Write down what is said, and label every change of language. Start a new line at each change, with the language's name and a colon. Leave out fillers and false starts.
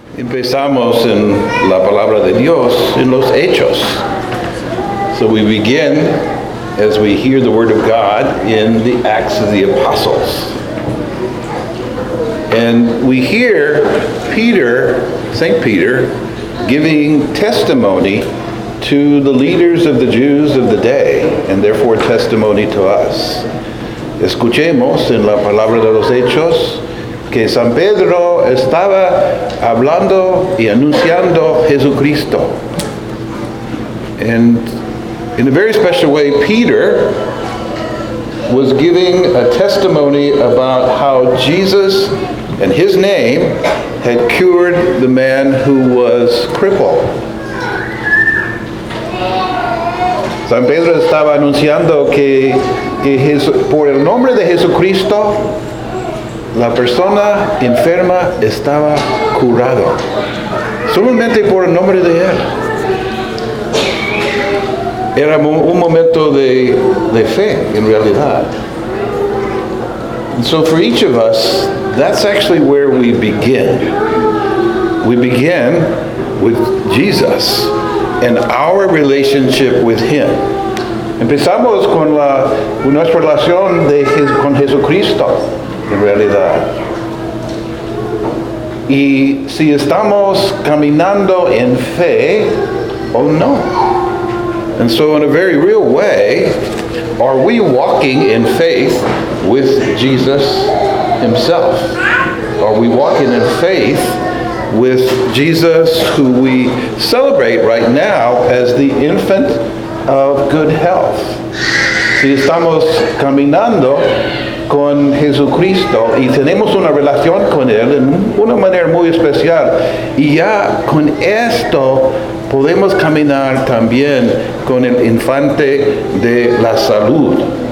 Spanish: Empezamos en la palabra de Dios, en los hechos.
English: So we begin as we hear the word of God in the Acts of the Apostles. And we hear Peter, St. Peter, giving testimony to the leaders of the Jews of the day, and therefore testimony to us.
Spanish: Escuchemos en la palabra de los hechos que San Pedro estaba hablando y anunciando Jesucristo.
English: And in a very special way, Peter was giving a testimony about how Jesus and his name had cured the man who was crippled.
Spanish: San Pedro estaba anunciando que por el nombre de Jesucristo, la persona enferma estaba curado. Solamente por el nombre de él. Era un momento de fe, en realidad.
English: And so for each of us, that's actually where we begin. We begin with Jesus and our relationship with him.
Spanish: Empezamos con nuestra relación con Jesucristo, en realidad. Y si estamos caminando en fe o no.
English: And so in a very real way, are we walking in faith with Jesus himself? Are we walking in faith with Jesus, who we celebrate right now as the infant of good health?
Spanish: Si estamos caminando con Jesucristo y tenemos una relación con él en una manera muy especial, y ya con esto podemos caminar también con el infante de la salud.